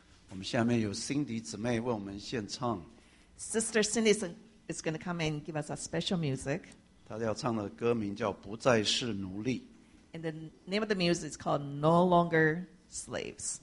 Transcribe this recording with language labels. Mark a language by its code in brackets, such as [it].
[zh] 我们下面有 Cindy 姊妹为我们献唱。 [en] Sister Cindy is going to come and give us a special music. [zh] 她要唱的歌名叫《不再是奴隶》。 [en] And the name of the music is called No Longer Slaves.